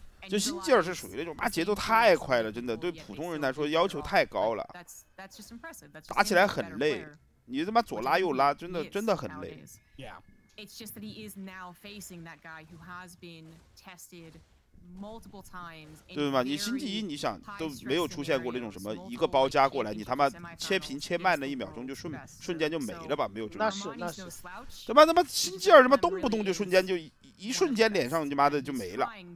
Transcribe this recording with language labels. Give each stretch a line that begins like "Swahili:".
Chinese: 就星际二是属于那种，妈节奏太快了，真的对普通人来说要求太高了，打起来很累，你他妈左拉右拉，真的很累。
English: It's just that he is now facing that guy who has been tested multiple times.
Chinese: 对吗？你星际一你想都没有出现过那种什么一个包夹过来，你他妈切平切慢那一秒钟就瞬间就没了吧？没有这种。那是。他妈星际二他妈动不动就瞬间就。一瞬间脸上就妈的就没了，